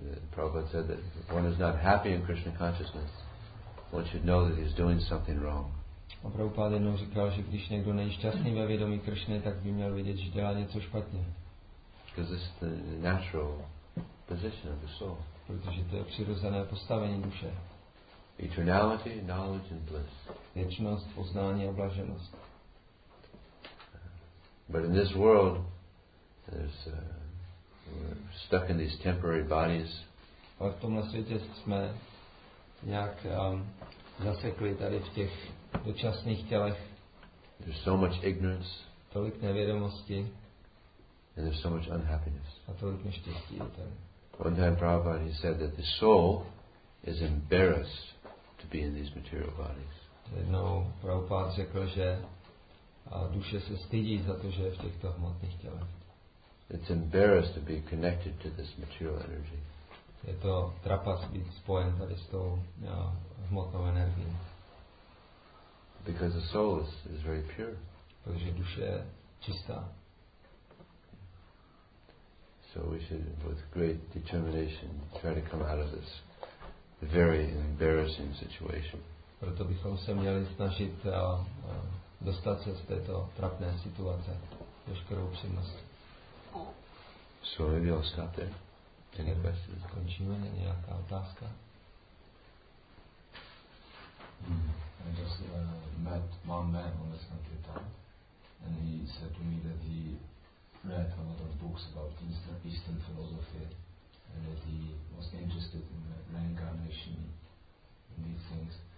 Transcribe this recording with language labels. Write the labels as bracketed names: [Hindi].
[English] Prabhupada said that if one is not happy in Krishna consciousness, one should know that he's doing something wrong. [Czech] A Prabhupada jednou říkal, že když někdo není šťastný ve vědomí Krishny, tak by měl vědět, že dělá něco špatně. [English] Because this is the natural position of the soul. [Czech] Protože to je přirozené postavení duše. [English] Eternality, knowledge and bliss. [Czech] Věčnost, poznání a blaženost. [English] But in this world, there's we're stuck in these temporary bodies. [Czech] Ale v tomhle světě jsme nějak zasekli tady v těch dočasných tělech. [English] There's so much ignorance. [Czech] Tolik nevědomosti. [English] And there's so much unhappiness. [Czech] A tolik neštěstí je tady. [English] One time Prabhupada, he said that the soul is embarrassed to be in these material bodies. [Czech] Jednou Prabhupada řekl, že duše se stydí za to, že je v těchto hmotných tělech. [English] It's embarrassed to be connected to this material energy. [Czech] Je to trapas být spojen tady s tou hmotnou energií. [English] Because the soul is very pure. [Czech] Protože duše je čistá. [English] So we should, with great determination, try to come out of this very embarrassing situation. [Czech] Proto bychom se měli snažit dostat se z této trapné situace, veškerou upřímnost. [English] So maybe I'll stop there. Any questions? [Czech] Skončíme, není nějaká otázka? [English] I just met one man on the Sankirtan town, and he said to me that he read a lot of books about Eastern philosophy, and that he was interested in reincarnation and these things.